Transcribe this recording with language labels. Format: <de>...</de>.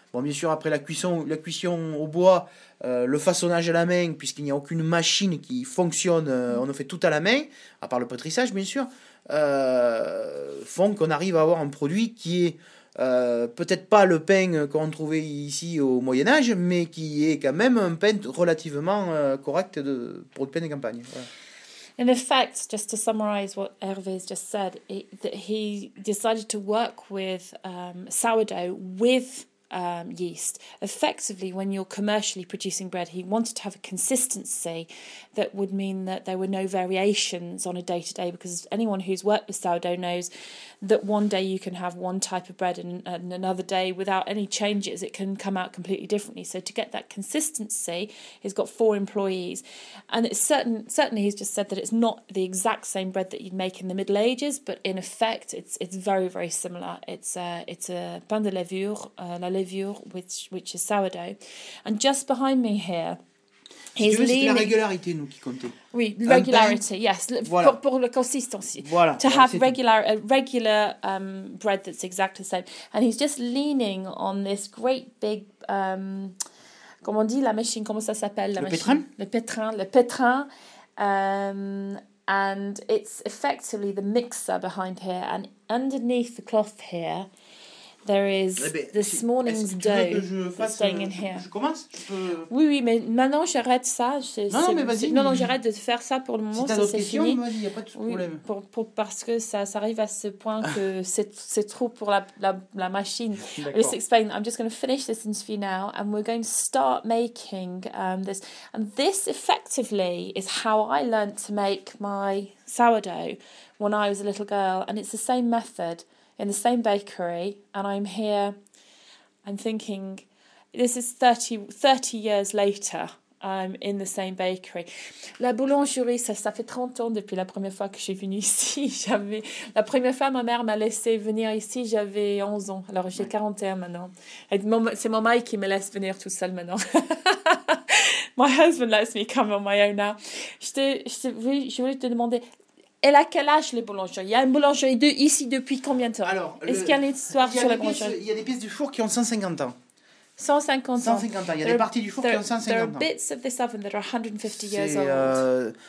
<fr>Bon, bien sûr, après la cuisson au bois, le façonnage à la main, puisqu'il n'y a aucune machine qui fonctionne, on en fait tout à la main, à part le pétrissage, bien sûr, font qu'on arrive à avoir un produit qui est... peut-être pas le pain qu'on trouvait ici au Moyen-Âge, mais qui est quand même un pain relativement correct pour le pain de campagne. Voilà.</fr> <en>In effect, just to summarize what Hervé's just said, that he decided to work with sourdough with yeast. Effectively, when you're commercially producing bread, he wanted to have a consistency that would mean that there were no variations on a day-to-day, because anyone who's worked with sourdough knows that one day you can have one type of bread and another day without any changes, it can come out completely differently. So to get that consistency, he's got four employees. And it's certainly he's just said that it's not the exact same bread that you'd make in the Middle Ages, but in effect, it's very, very similar. It's a</en> <fr>pain de levure, la levure,</fr> <en>which is sourdough. And just behind me here, he's leaning...</en> <fr>La régularité, nous, qui comptait. Oui,</fr> <en>regularity, yes.</en> <fr>Voilà. Pour la consistance. Voilà.</fr> <en>To have regular bread that's exactly the same. And he's just leaning on this great big...</en> <fr>comment on dit, la machine, comment ça s'appelle? Le pétrin.</fr> <en>And it's effectively the mixer behind here. And underneath the cloth here... There is this morning's dough that's staying in here.</en> <fr>Je commence, je peux... Oui, mais maintenant j'arrête ça. Non, j'arrête de faire ça pour le moment. Si ça, c'est fini. Il n'y a pas de problème. Oui, parce que ça arrive à ce point que c'est trop pour la machine.</fr> <en>Let's explain. I'm just going to finish this interview now, and we're going to start making this. And this effectively is how I learned to make my sourdough when I was a little girl, and it's the same method. In the same bakery, and I'm here, I'm thinking, this is 30 years later, I'm in the same bakery.</en> <fr>La boulangerie, ça fait 30 ans depuis la première fois que je suis venue ici. La première fois, ma mère m'a laissé venir ici, j'avais 11 ans. Alors, j'ai 41 maintenant. C'est mon mari qui me laisse venir tout seul maintenant.</fr> <en>My husband lets me come on my own now.</en> <fr>Je voulais te demander... Elle a quel âge, les boulangeries? Il y a une boulangerie ici depuis combien de temps? Alors, est-ce qu'il y a une histoire sur la boulangerie? Il y a des pièces du four qui ont 150 ans. 150 ans. Il y a des parties du four qui ont 150 ans.</fr> <en>There are bits of this oven that are 150 years old.</en>